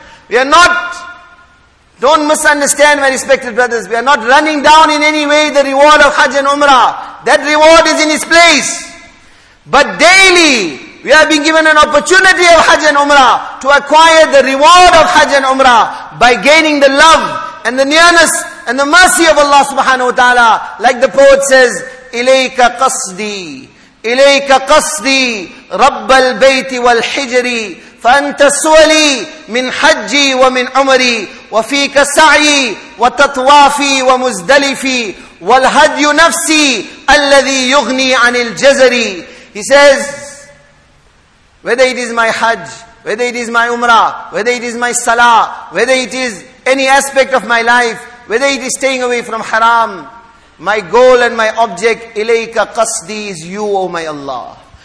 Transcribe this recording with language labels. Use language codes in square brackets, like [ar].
[en] We are not, don't misunderstand my respected brothers, we are not running down in any way the reward of hajj and umrah. That reward is in its place. But daily, we have been given an opportunity of hajj and umrah to acquire the reward of hajj and umrah by gaining the love and the nearness and the mercy of Allah subhanahu wa ta'ala. Like the poet says, [ar] إِلَيْكَ قَصْدِي إِلَيْكَ قَصْدِي رَبَّ الْبَيْتِ وَالْحِجْرِ فَأَنْتَ سُوَلِي مِنْ حَجِّي وَمِنْ عُمَرِي وَفِيكَ سَعْيِي وَتَطْوَافِي وَمُزْدَلِفِي وَالْهَدْيُ نَفْسِي أَلَّذِي يُغْنِي عَنِ الْجَزَرِي. [en] He says, whether it is my hajj, whether it is my umrah, whether it is my salah, whether it is any aspect of my life, whether it is staying away from haram, my goal and my object, [ar] ilayka qasdi, [en] is you, O my Allah.